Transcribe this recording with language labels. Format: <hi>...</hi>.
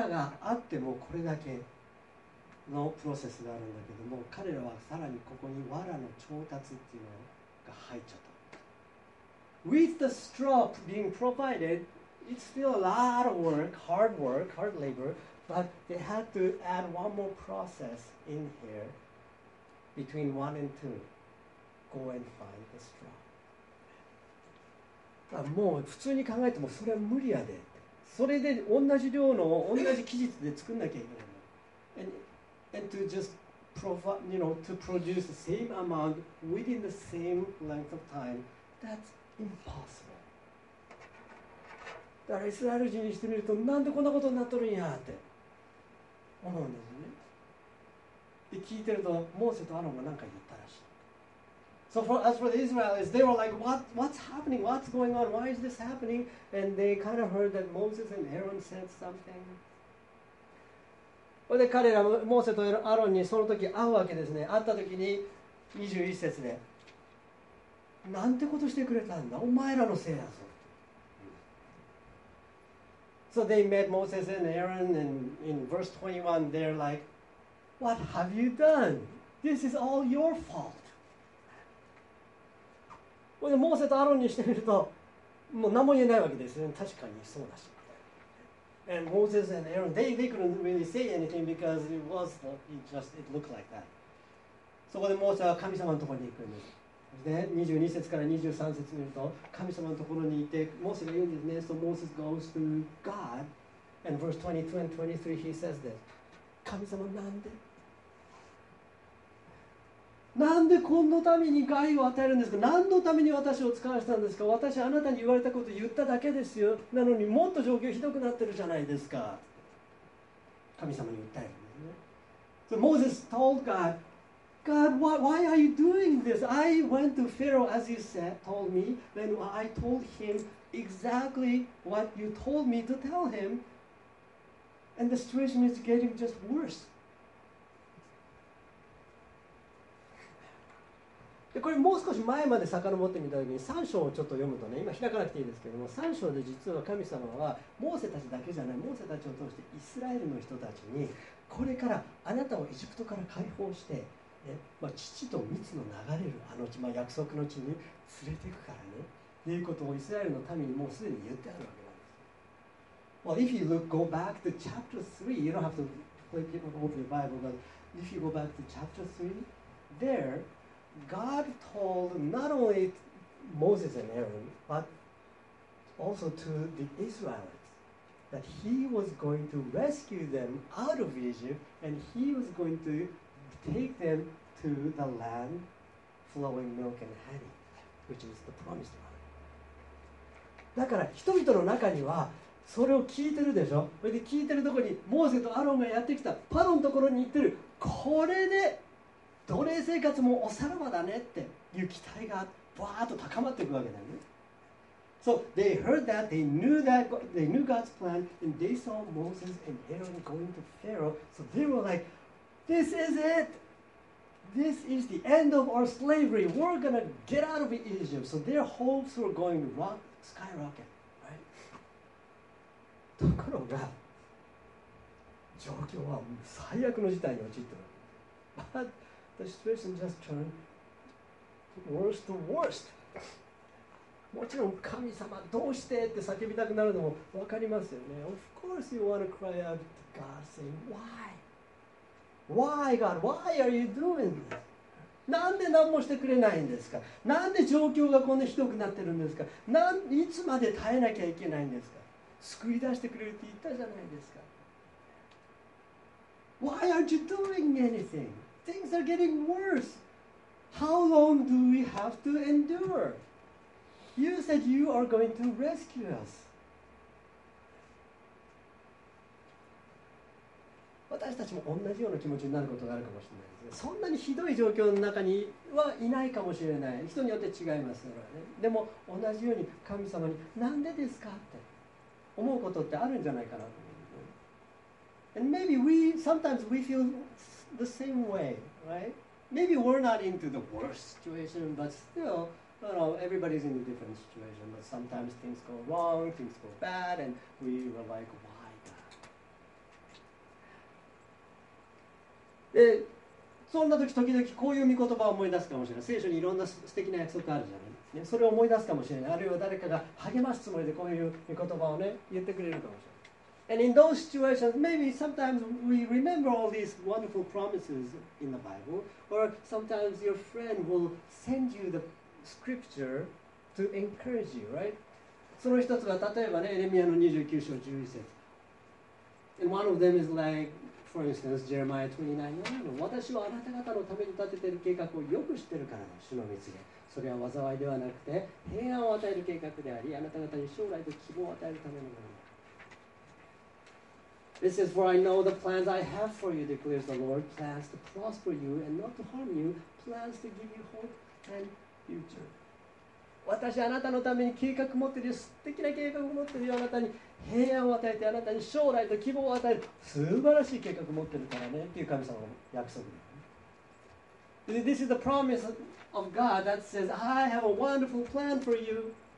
<ja>藁があってもこれだけのプロセスがあるんだけども、彼らはさらにここに藁の調達っていうのが入っちゃった。</ja> <en>With the straw being provided, it's still a lot of work, hard labor, but they had to add one more process in here between 1 and 2. Go and find the straw.</en> <ja>もう普通に考えてもそれは無理やで。それで同じ量の同じ期日で作んなきゃいけないの。</ja> <en>And to just provide, you know, to produce the same amount within the same length of time, that's impossible.</en> <ja>だからイスラエル人にしてみるとなんでこんなことになっとるんやって思うんですね。で聞いてるとモーセとアロンが何か言ったらしい。</ja> <en>So for, as for the Israelites, they were like, what's happening? What's going on? Why is this happening? And they kind of heard that Moses and Aaron said something.</en> <ja>で彼らもモーセとアロンにその時会うわけですね。会った時に21節で、なんてことしてくれたんだ？お前らのせいだぞ。</ja> <en>So they met Moses and Aaron, and in verse 21, they're like, what have you done? This is all your fault.</en> <ja>でモーセとアロンにしてみるともう何も言えないわけですよね。確かにそうだし。</ja> <en>And Moses and Aaron, they couldn't really say anything because it was just, it looked like that.</en> <ja>そこでモーセは神様のところに行くんです。で、22節から23節見ると神様のところにいて、モーセが言うんですね。</ja> <en>So Moses goes to God, and verse 22 and 23 he says this.</en> <ja>神様なんで？なんでこのために害を与えるんですか？何のために私を使わせたんですか？私あなたに言われたこと言っただけですよ。なのにもっと状況ひどくなってるじゃないですか。神様に訴えるんですね。</ja> <en>So Moses told God, God, why are you doing this? I went to Pharaoh as you said, told me, then I told him exactly what you told me to tell him, and the situation is getting just worse.</en> <ja>これもう少し前まで遡ってみたときに3章をちょっと読むとね、今開かなくていいですけども、3章で実は神様はモーセたちだけじゃない、モーセたちを通してイスラエルの人たちにこれからあなたをエジプトから解放して、ね、まあ、父と蜜の流れるあの地、まあ、約束の地に連れていくからねということをイスラエルの民にもうすでに言ってあるわけなんです。</ja> <en>Well, if you look, go back to chapter 3, you don't have to flip it over the Bible, but if you go back to chapter 3, thereGod told not only Moses and Aaron, but also to the Israelites that he was going to rescue them out of Egypt and he was going to take them to the land flowing milk and honey, which is the promised land.</en> <ja>だから人々の中にはそれを聞いてるでしょ。それで聞いてるところにモーセとアロンがやってきた、パロのところに行ってる、これで奴隷生活もおさらばだねっていう期待がバーッと高まっていくわけだよね。</ja> <en>So they heard that, they knew that, they knew God's plan, and they saw Moses and Aaron going to Pharaoh. So they were like, this is it! This is the end of our slavery. We're gonna get out of Egypt. So their hopes were going skyrocket, right?</en> <ja>ところが状況は最悪の事態に陥ってる。</ja> <en>But the situation just turned worse to worst.</en> <ja>もちろん神様どうしてって叫びたくなるのも分かりますよね。</ja> <en>Of course you want to cry out to God saying why? Why God? Why are you doing this?</en> <ja>なんで何もしてくれないんですか。なんで状況がこんなひどくなってるんですか。なんいつまで耐えなきゃいけないんですか。救い出してくれるって言ったじゃないですか。</ja> <en>Why aren't you doing anything? Things are getting worse. How long do we have to endure? You said you are going to rescue us.</en> <ja>私たちも同じような気持ちになることがあるかもしれない。そんなにひどい状況の中にはいないかもしれない。人によって違いますからね。でも同じように神様になんでですかって思うことってあるんじゃないかなと思う。</ja> <en>And maybe we sometimes we feel the same way, right? Maybe we're not into the worst situation, but still, you know, everybody's in a different situation. But sometimes things go wrong, things go bad, and we were like, why God?</en> <ja>そんな時時々こういう御言葉を思い出すかもしれない。聖書にいろんな素敵な約束があるじゃない、ね、それを思い出すかもしれない。あるいは誰かが励ますつもりでこういう御言葉をね言ってくれるかもしれない。</ja> <en>And in those situations maybe sometimes we remember all these wonderful promises in the Bible or sometimes your friend will send you the scripture to encourage you, right?</en> <ja>その一つは例えばね、エレミアの29章11節。</ja> <en>And one of them is likeFor instance, Jeremiah 29:9.</en> <ja>私はあなた方のために立てている計画をよく知ってるからだ、主の御告げ。それは災いではなくて平安を与える計画であり、あなた方に将来と希望を与えるためのものだ。</ja> <en>This is for I know the plans I have for you, declares the Lord, plans to prosper you and not to harm you, plans to give you hope and future.</en> <ja>私はあなたのために計画を持っている、素敵な計画を持っているよ、あなたに。平安を与えて、あなたに将来と希望を与える素晴らしい計画を持ってるからねっていう神様の約束。</ja> <en>This is the promise of God that says I have a wonderful plan for you.</en>